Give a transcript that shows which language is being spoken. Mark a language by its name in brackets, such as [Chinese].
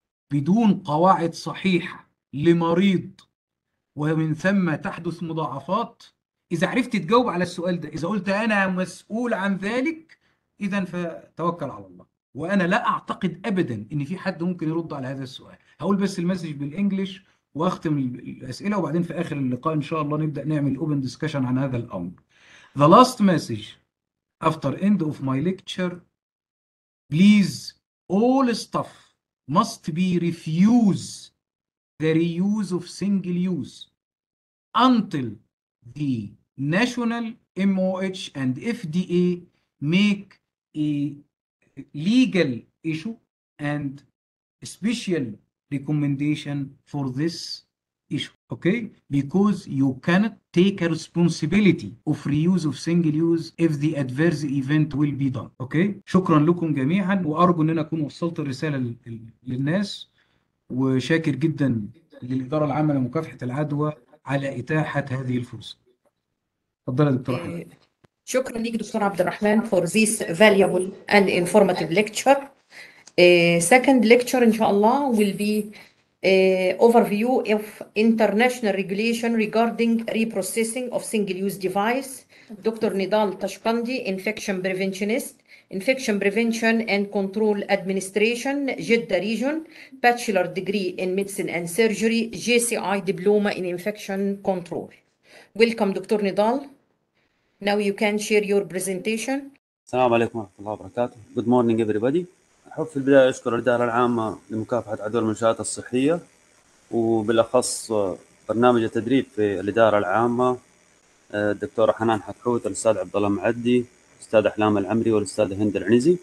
[Arabic] بدون قواعد صحيحة لمريض ومن ثم تحدث مضاعفات؟ إذا عرفت تجاوب على السؤال ده، إذا قلت أنا مسؤول عن ذلك، إذن فتوكل على الله. وأنا لا أعتقد أبداً أن في حد ممكن يرد على هذا السؤال. هقول بس المسج بالإنجليش واختم الاسئله، وبعدين في اخر اللقاء ان شاء الله نبدا نعمل [English] open discussion [Arabic] عن هذا الامر. [English] The last message after end of my lecture: please all staff must be refuse the reuse of single use until the national MOH and FDA make a legal issue and special recommendation for this issue. Okay? Because you cannot take a responsibility of reuse of single use if the adverse event will be done. Okay? [Arabic] شكرا لكم جميعا، وأرجو أن أنا أكون وصلت الرسالة للناس، وشاكر جدا للإدارة العامة لمكافحة العدوى على إتاحة هذه الفرصة. تفضل دكتور أحمد. شكرا لك دكتور عبد الرحمن [English] for this valuable and informative lecture. Second lecture, inshallah, will be overview of international regulation regarding reprocessing of single-use device. Dr. Nidal Tashpandi, infection preventionist, Infection Prevention and Control Administration, Jeddah Region, Bachelor Degree in Medicine and Surgery, JCI Diploma in Infection Control. Welcome, Dr. Nidal. Now you can share your presentation. [Arabic] السلام عليكم ورحمة الله وبركاته. [English] Good morning, everybody. [Arabic] أحب في البداية أشكر الإدارة العامة لمكافحة عدوى المنشآت الصحية وبالأخص برنامج التدريب في الإدارة العامة الدكتورة حنان حتحوت، الأستاذ عبد الله معدي، الأستاذ أحلام العمري والأستاذ هند العنزي.